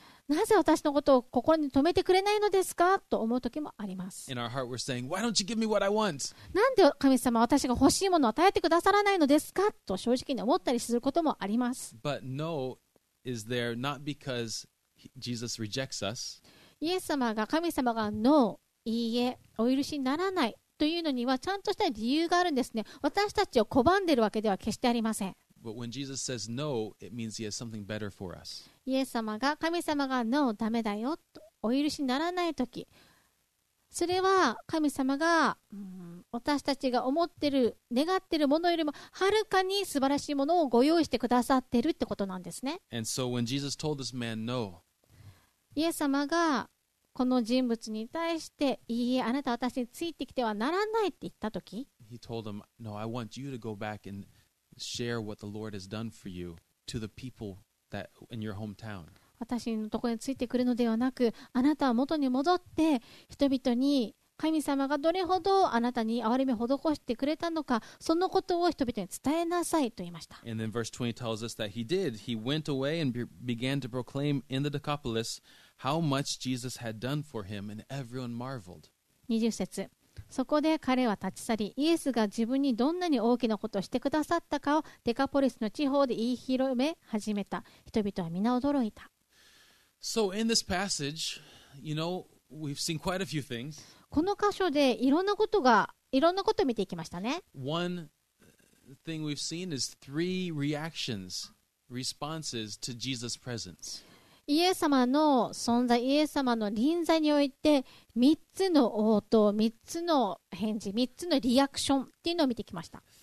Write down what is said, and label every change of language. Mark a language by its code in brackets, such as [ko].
[ja] なぜ私のことを心に留めてくれないのですか？と思う時もあります。 [en] In our heart we're saying, Why don't you give me what I want? [ja] なんで神様は私が欲しいものを与えてくださらないのですか？と正直に思ったりすることもあります。 [en] But no is there not because Jesus rejects us. [ja] イエス様が神様が No、いいえ、お許しにならないというのにはちゃんとした理由があるんですね。私たちを拒んでいるわけでは決してありません。 [en] But when Jesus says no, it means he has something better for us. [ja] イエス様が、神様が No, ダメだよとお許しにならないとき、それは神様が、私たちが思ってる、願ってるものよりもはるかに素晴らしいものをご用意してくださってるってことなんですね。 [en] And so when Jesus told this man No, [ja] イエス様がこの人物に対して、いいえ、あなた私についてきてはならないって言ったとき、 [en] He told him, No, I want you to go back andShare what the Lord has done for you to the people that in your hometown. [ja] 私のところについてくるのではなく、あなたは元に戻って人々に神様がどれほどあなたに憐れみを施してくれたのか、そのことを人々に伝えなさいと言いました。 [en] And then verse 20 tells us that he did. He went away and began to proclaim in the Decapolis how much Jesus had done for him, and everyone marveled. [ja] 20節。そこで彼は立ち去り、イエスが自分にどんなに大きなことをしてくださったかをデカポリスの地方で言い広め始めた。人々は皆驚いた。 [en] So in this passage, you know, we've seen quite a few things. [ja] この箇所でいろんなことを見ていきましたね。 [en] One thing we've seen is three reactions, responses to Jesus' presence. [ja] イエス様の存在、イエス様の臨在において三つの応答、三つの返事、三つのリアクションっていうのを見てきました。